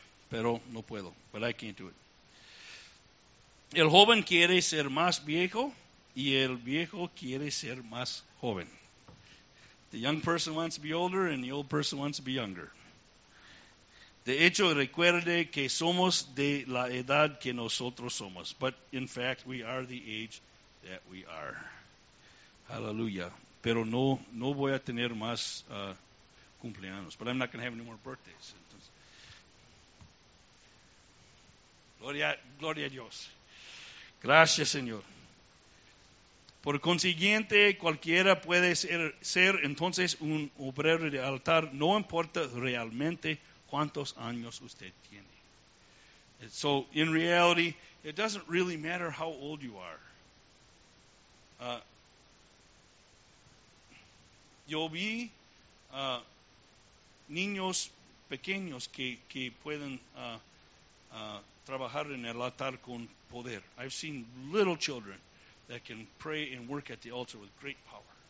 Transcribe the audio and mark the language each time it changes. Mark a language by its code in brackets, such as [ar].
[es] Pero no puedo. [en] But I can't do it. [es] El joven quiere ser más viejo y el viejo quiere ser más joven. [en] The young person wants to be older and the old person wants to be younger. [es] De hecho, recuerde que somos de la edad que nosotros somos. [en] But in fact, we are the age that we are. Hallelujah. [es] Pero no voy a tener más cumpleaños. [en] But I'm not going to have any more birthdays. [es] Entonces, gloria a Dios. Gracias, Señor. Por consiguiente, cualquiera puede ser entonces un obrero de altar. No importa realmente cuántos años usted tiene. [en] And so, in reality, it doesn't really matter how old you are. [es] Yo vi niños pequeños que pueden trabajar en el altar con poder. [en] I've seen little children that can pray and work at the altar with great power.